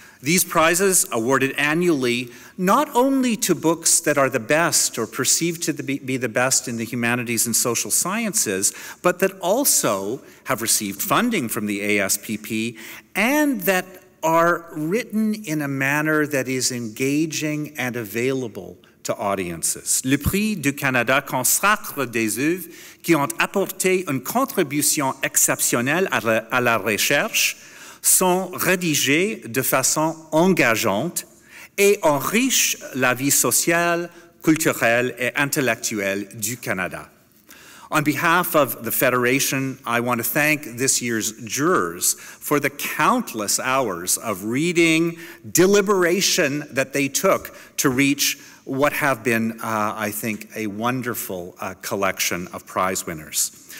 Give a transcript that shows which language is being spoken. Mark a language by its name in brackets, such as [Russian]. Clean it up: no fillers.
[English] These prizes awarded annually, not only to books that are the best or perceived to be the best in the humanities and social sciences, but that also have received funding from the ASPP and that are written in a manner that is engaging and available to audiences. [French] Le Prix du Canada consacre des œuvres qui ont apporté une contribution exceptionnelle à la recherche, sont rédigés de façon engageante et enrichent la vie sociale, culturelle et intellectuelle du Canada. [English] On behalf of the Federation, I want to thank this year's jurors for the countless hours of reading, deliberation that they took to reach what have been, I think, a wonderful collection of prize winners.